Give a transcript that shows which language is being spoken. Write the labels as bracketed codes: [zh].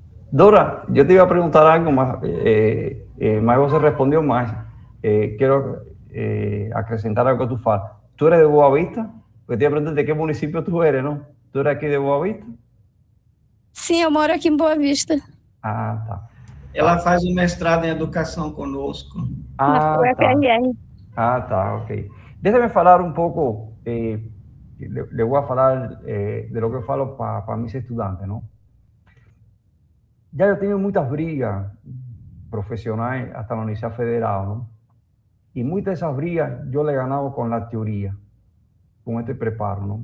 [es] Dora, yo te iba a preguntar algo más. Mago se respondió más. Quiero acrecentar algo que tú falas. ¿Tú eres de Boa Vista? Pues te iba a preguntar de qué municipio tú eres, ¿no? ¿Tú eres aquí de Boa Vista? [pt] Sim, eu moro aqui em Boa Vista. Ah, Ela faz um mestrado em educação conosco. Na tá. UFRN. Ah, tá, [es] ok. Déjame falar un poco. Le voy a hablar de lo que falo para pa mis estudiantes, ¿no? Ya yo he tenido muchas brigas profesionales hasta la Universidad Federal, ¿no? Y muchas de esas brigas yo le he ganado con la teoría, con este preparo, ¿no?